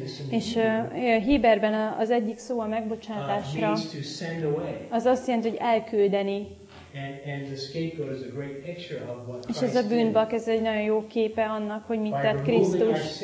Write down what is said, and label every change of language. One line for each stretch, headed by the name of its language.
Hungarian: És Héberben az egyik szó a megbocsátásra, az azt jelenti, hogy elküldeni.
English: And the scapegoat is a great picture of what Christ.
Hungarian: És ez a bűnbak, ez egy nagyon jó képe annak, hogy mit tett Krisztus.